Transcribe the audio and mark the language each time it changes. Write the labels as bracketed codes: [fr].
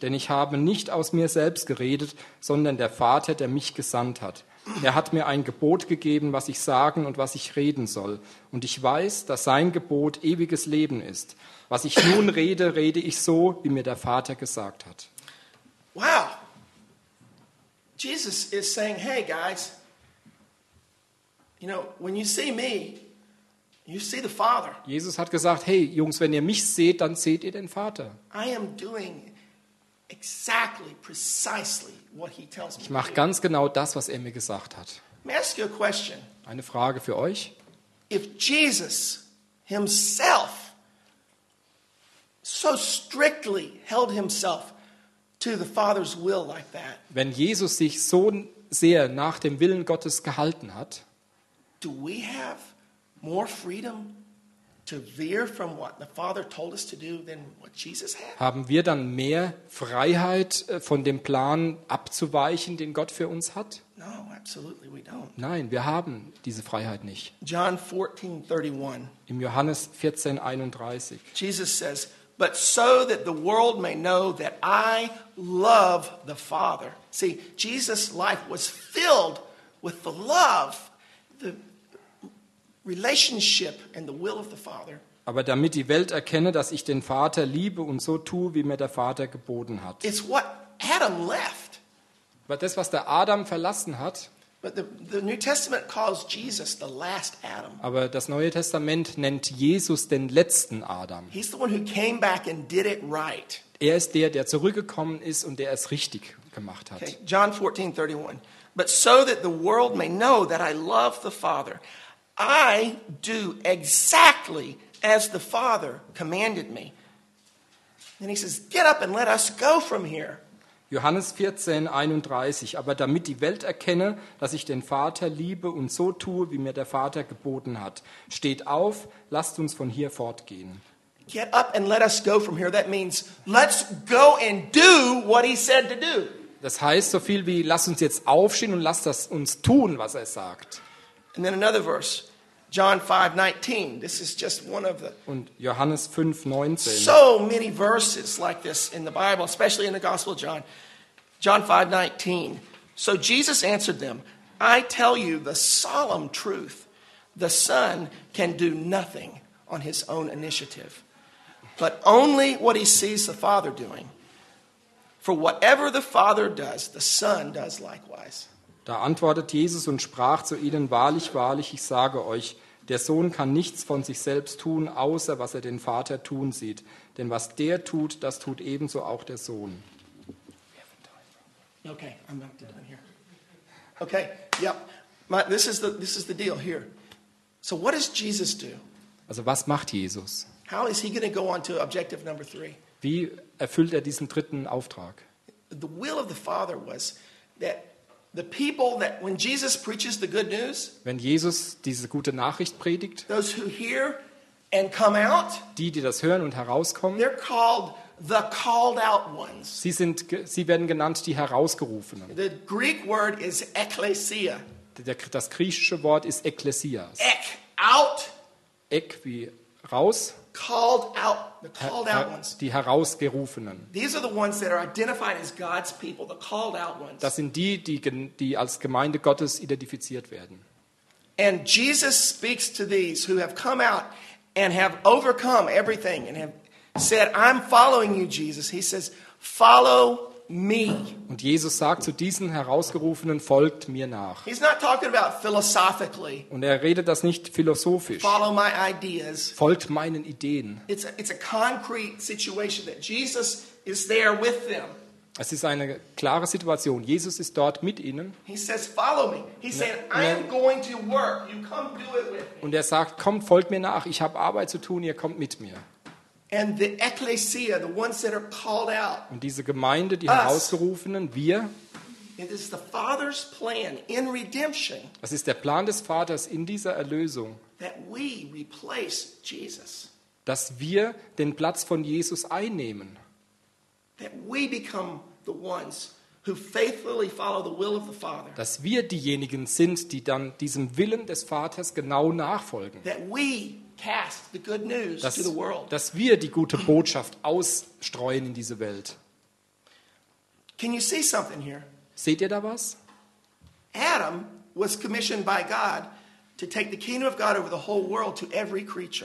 [de] Denn ich habe nicht aus mir selbst geredet, sondern der Vater, der mich gesandt hat. Er hat mir ein Gebot gegeben, was ich sagen und was ich reden soll. Und ich weiß, dass sein Gebot ewiges Leben ist. Was ich nun rede, rede ich so, wie mir der Vater gesagt hat. [en] Wow. Jesus is saying, hey guys, you know, when you see me, you see the Father. [de] Jesus hat gesagt, hey Jungs, wenn ihr mich seht, dann seht ihr den Vater. [en] I am doing exactly, precisely what he tells me. [de] Ich mache ganz genau das, was er mir gesagt hat. [en] May I ask you a question? [de] Eine Frage für euch. [en] If Jesus himself so strictly held himself to the Father's will like that. [de] Wenn Jesus sich so sehr nach dem Willen Gottes gehalten hat, [en] do we have more freedom to veer from what the Father told us to do than what Jesus had? [de] Haben wir dann mehr Freiheit, von dem Plan abzuweichen, den Gott für uns hat? [en] No, absolutely we don't. [de] Nein, wir haben diese Freiheit nicht. [en] John 14:31. [de] Im Johannes 14:31. [en] Jesus says, but so that the world may know that I love the Father. See, Jesus' life was filled with the love, the relationship and the will of the Father. [de] Aber damit die Welt erkenne, dass ich den Vater liebe und so tue, wie mir der Vater geboten hat. [en] It's what Adam left. [de] Aber das, was der Adam verlassen hat. [en] But the New Testament calls Jesus the last Adam. [de] Aber das Neue Testament nennt Jesus den letzten Adam. [en] He's the one who came back and did it right. [de] Er ist der zurückgekommen ist und der es richtig gemacht hat. [en] Okay. John 14:31. But so that the world may know that I love the Father, I do exactly as the Father commanded me. And he says, "Get up and let us go from here." [de] Johannes 14, 31. Aber damit die Welt erkenne, dass ich den Vater liebe und so tue, wie mir der Vater geboten hat. Steht auf, lasst uns von hier fortgehen. [en] Get up and let us go from here. That means, let's go and do what he said to do. [de] Das heißt so viel wie, lasst uns jetzt aufstehen und lasst das uns tun, was er sagt. [en] And then another verse. John 5:19. This is just one of the [de] und Johannes 5:19. [en] So many verses like this in the Bible, especially in the Gospel of John. John 5:19. So Jesus answered them, "I tell you the solemn truth, the Son can do nothing on his own initiative, but only what he sees the Father doing. For whatever the Father does, the Son does likewise." [de] Da antwortet Jesus und sprach zu ihnen, "Wahrlich, wahrlich, ich sage euch, der Sohn kann nichts von sich selbst tun, außer was er den Vater tun sieht. Denn was der tut, das tut ebenso auch der Sohn." [en] Okay, I'm not done here. Okay, yep. This is the deal here. So what does Jesus do? [de] Also was macht Jesus? [en] How is he going to go on to objective number three? [de] Wie erfüllt er diesen dritten Auftrag? [en] The will of the Father was that the people that when Jesus preaches the good news, [de] wenn Jesus diese gute Nachricht predigt, [en] those who hear and come out, [de] die das hören und herauskommen, [en] they're called the called out ones. [de] Sie werden genannt die Herausgerufenen. [en] The Greek word is ekklesia. [de] Das griechische Wort ist ekklesias. [en] Ek, out. [de] Ek wie raus. [en] Called out, the called out ones. [de] Die Herausgerufenen. [en] These are the ones that are identified as God's people, the called out ones. [de] Das sind die als Gemeinde Gottes identifiziert werden. [en] And Jesus speaks to these who have come out and have overcome everything and have said, "I'm following you, Jesus." He says, "Follow me." [de] Und Jesus sagt zu diesen Herausgerufenen, folgt mir nach. [en] He's not talking about philosophically. [de] Und er redet das nicht philosophisch. [en] Follow my ideas. [de] Folgt meinen Ideen. [en] It's a concrete situation that Jesus is there with them. [de] Es ist eine klare Situation. Jesus ist dort mit ihnen. [en] He says, "Follow me." He's saying, "I'm going to work. You come do it with me." [de] Und er sagt, kommt, folgt mir nach. Ich habe Arbeit zu tun. Ihr kommt mit mir. [en] And the ecclesia, the ones that are called out. [de] Und diese Gemeinde, die herausgerufenen, wir. [en] It is the Father's plan in redemption. [de] Das ist der Plan des Vaters in dieser Erlösung. [en] That we replace Jesus. [de] Dass wir den Platz von Jesus einnehmen. [en] That we become the ones who faithfully follow the will of the Father. [de] Dass wir diejenigen sind, die dann diesem Willen des Vaters genau nachfolgen. [en] That we cast the good news to the world. [de] Dass wir die gute Botschaft ausstreuen in diese Welt. [en] Can you see something here? [de] Seht ihr da was? [en] Adam was commissioned by God to take the kingdom of God over the whole world to every creature.